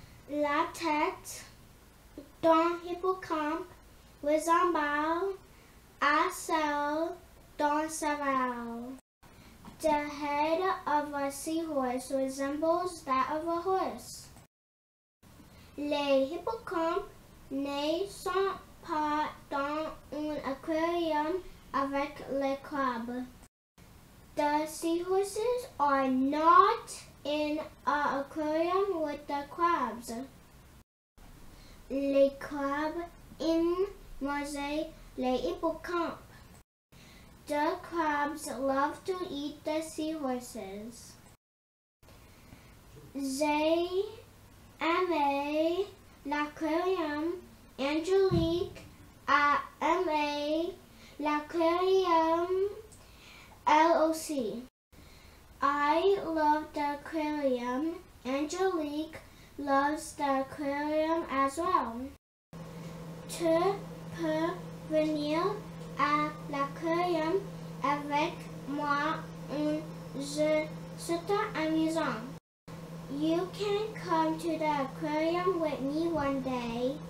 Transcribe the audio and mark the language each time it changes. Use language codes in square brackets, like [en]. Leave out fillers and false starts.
[fr] La tête d'un hippocampe ressemble à celle d'un cheval. [en] The head of a seahorse resembles that of a horse. [fr] Les hippocampes ne sont pas dans un aquarium avec les crabes. [en] The seahorses are not in an aquarium with the crabs. [fr] Les crabes aiment manger les hippocampes. [en] The crabs love to eat the seahorses. [fr] J'ai aimé l'aquarium. Angélique a aimé l'aquarium. Elle aussi. [en] I love the aquarium. Angélique loves the aquarium as well. [fr] Tu peux venir à l'aquarium avec moi un jeu super amusant. [en] You can come to the aquarium with me one day.